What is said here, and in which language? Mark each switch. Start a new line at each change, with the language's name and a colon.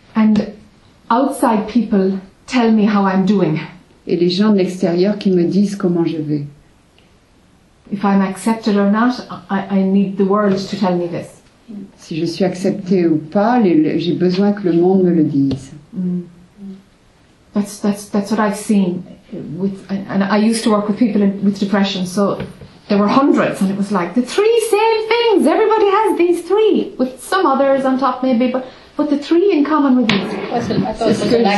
English: And outside people tell me how I'm doing.
French: Et les gens de l'extérieur qui me disent comment je vais.
English: If I'm accepted or not, I need the world to tell me this.
French: Si je suis acceptée ou pas, j'ai besoin que le monde me le dise.
English: Mm. That's what I've seen. And I used to work with people with depression, so there were hundreds, and it was like the three same things. Everybody has these three, with some others on top maybe, but the three in common with these.